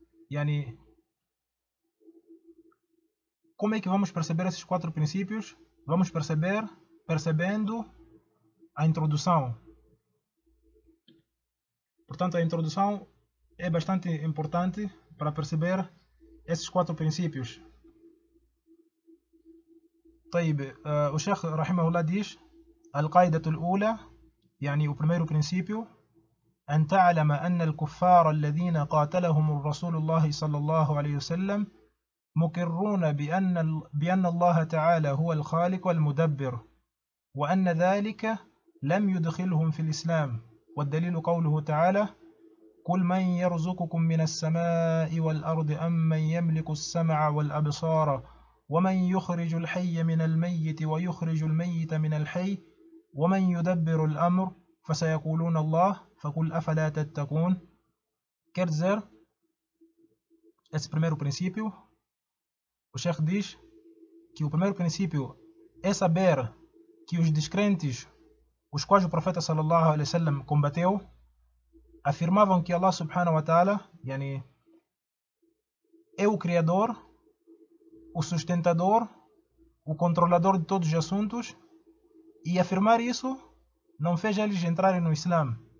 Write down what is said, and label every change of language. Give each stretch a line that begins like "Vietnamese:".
Portuguese: Yani, como é que vamos perceber esses quatro princípios? Vamos perceber percebendo a introdução. Portanto, a introdução é bastante importante para perceber esses quatro princípios.
Arabic: طيب,
Portuguese: o Sheikh Rahimahullah diz:
Arabic: القاعدة الأولى, يعني
Portuguese: o primeiro princípio,
Arabic: أن تعلم أن الكفار الذين قاتلهم الرسول الله صلى الله عليه وسلم مقرون بأن الله تعالى هو الخالق والمدبر وأن ذلك لم يدخلهم في الإسلام. والدليل قوله تعالى: قل من يرزقكم من السماء والأرض أم من يملك السمع والأبصار ومن يخرج الحي من الميت ويخرج الميت من الحي ومن يدبر الأمر فسيقولون الله فقل أفلا تتقون.
Portuguese: Quer dizer, esse primeiro princípio, o Sheikh diz que o primeiro princípio é saber que os descrentes, os quais o profeta sallallahu alaihi wasallam combateu, afirmavam que Allah subhanahu wa ta'ala, yani, é o criador, o sustentador, o controlador de todos os assuntos, e afirmar isso não fez eles entrarem no Islã.